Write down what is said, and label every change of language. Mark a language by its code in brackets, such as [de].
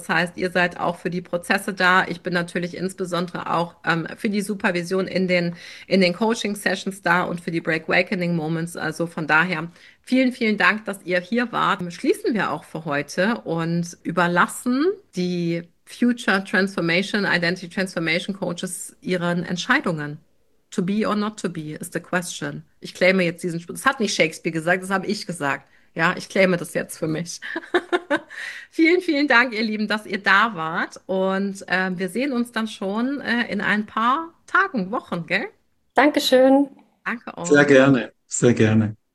[de] Das heißt, ihr seid auch für die Prozesse da. Ich bin natürlich insbesondere auch für die Supervision in den Coaching-Sessions da und für die Break-Wakening-Moments. Also von daher vielen, vielen Dank, dass ihr hier wart. Schließen wir auch für heute und überlassen die Future Transformation, Identity Transformation Coaches ihren Entscheidungen. [en] To be or not to be is the question. [de] Ich claime jetzt diesen Spruch. Das hat nicht Shakespeare gesagt, das habe ich gesagt. Ja, ich claime das jetzt für mich. Vielen, vielen Dank, ihr Lieben, dass ihr da wart. Und wir sehen uns dann schon in ein paar Tagen, Wochen, gell? Dankeschön. Danke Sehr euch. gerne, sehr gerne.